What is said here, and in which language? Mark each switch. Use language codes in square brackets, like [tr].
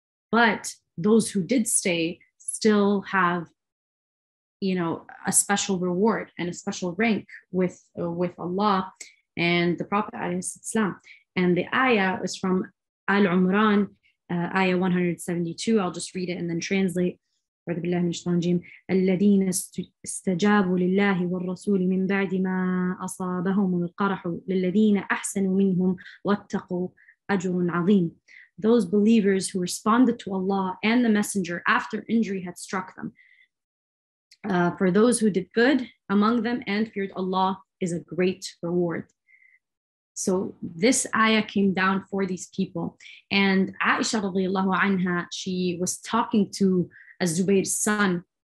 [en] But those who did stay still have, you know, a special reward and a special rank with Allah and the Prophet ﷺ. And the ayah is from Al-Umran, ayah 172. I'll just read it and then translate. [ar] أعوذ بالله من الشيطان الرجيم. الذين استجابوا لله والرسول من بعد ما أصابهم القرح للذين أحسنوا منهم واتقوا أجر عظيم. [en] Those believers who responded to Allah and the messenger after injury had struck them. For those who did good among them and feared Allah is a great reward. So this ayah came down for these people. And Aisha radiallahu anha, she was talking to Az-Zubayr's son.